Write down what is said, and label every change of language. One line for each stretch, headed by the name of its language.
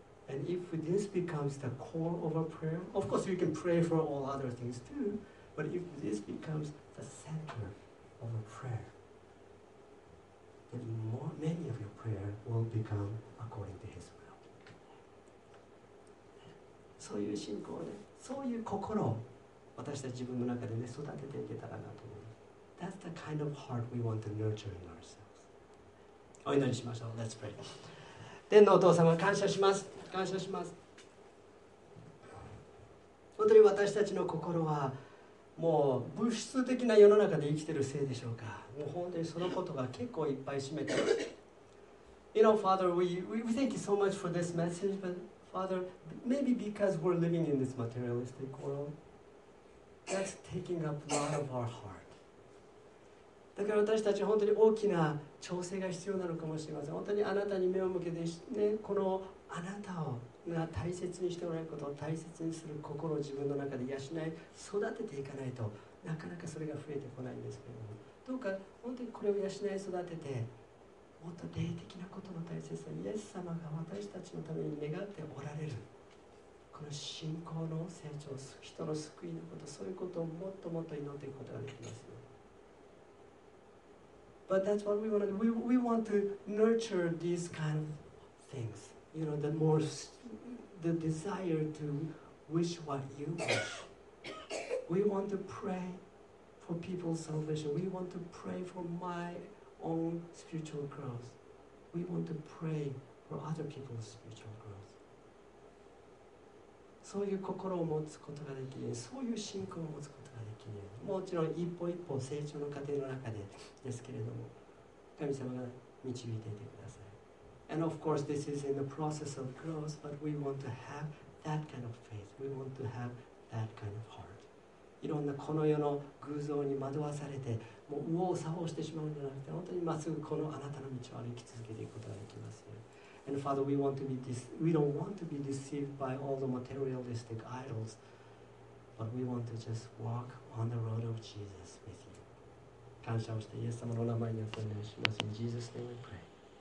English: And if this becomes the core of our prayer, of course we can pray for all other things too, but if this becomes the center of our prayer, then many of your prayer will become according to His will.
Japanese: そういう信仰で、そういう心を私たち自分の中で、ね、育てていけたらなと思う。
English: That's the kind of heart we want to nurture in ourselves.
Japanese: お祈りしましょう。
English: Let's pray.
Japanese: 天のお父様、感謝します。感謝します。本当に私たちの心はもう物質的な世の中で生きているせいでしょうか、もう本当にそのことが結構いっぱい占めています。
English: You know, Father, we thank you so much for this message, but Father, maybe because we're living in this materialistic world, that's taking up a lot of our heart.
Japanese: だから私たち本当に大きな調整が必要なのかもしれません。本当にあなたに目を向けて、ね、このあなたを大切にしておられることを大切にする心を自分の中で養い育てていかないと、なかなかそれが増えてこないんですけれども、どうか本当にこれを養い育てて、もっと霊的なことの大切さにイエス様が私たちのために願っておられる、この信仰の成長、人の救いのこと、そういうことをもっともっと祈っていくことができますよ。
English: But that's what we want to do. We want to nurture these kind of things. You know, the more the desire to wish what you wish. We want to pray for people's salvation. We want to pray for my own spiritual growth. We want to pray for other people's spiritual growth.
Japanese: そういう心を持つことができる、そういう信仰を持つことができる。もちろん一歩一歩成長の過程の中でですけれども、神様が導いていてください。
English: And of course this is in the process of growth, but we want to have that kind of faith. We want to have that kind of heart.
Japanese: いろんなこの世の偶像に惑わされて、もう右往左往してしまうんじゃなくて、本当にまっすぐこのあなたの道を歩き続けていくことができますよ。
English: And Father, we don't want to be deceived by all the materialistic idols, but we want to just walk on the road of Jesus with you.
Japanese: 感謝をしてイエス様のお名前にお祈りします。
English: In Jesus' name we pray.